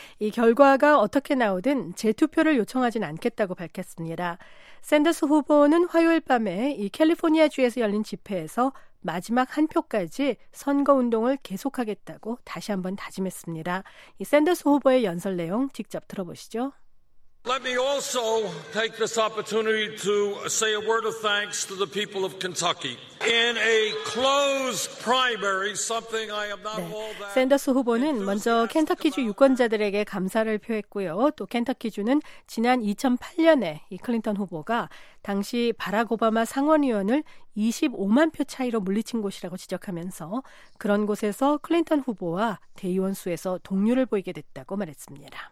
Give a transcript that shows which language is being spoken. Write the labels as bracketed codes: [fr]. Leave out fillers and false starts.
[ko] 이 결과가 어떻게 나오든 재투표를 요청하진 않겠다고 밝혔습니다. 샌더스 후보는 화요일 밤에 이 캘리포니아주에서 열린 집회에서 마지막 한 표까지 선거운동을 계속하겠다고 다시 한번 다짐했습니다. 이 샌더스 후보의 연설 내용 직접 들어보시죠. [en] Let me also take this opportunity to say a word of thanks to the people of Kentucky. In a closed primary, something I am not all that. [ko] 샌더스 후보는 먼저 켄터키주 유권자들에게 감사를 표했고요. 또 켄터키주는 지난 2008년에 이 클린턴 후보가 당시 바락 오바마 상원의원을 25만 표 차이로 물리친 곳이라고 지적하면서 그런 곳에서 클린턴 후보와 대의원 수에서 동률을 보이게 됐다고 말했습니다.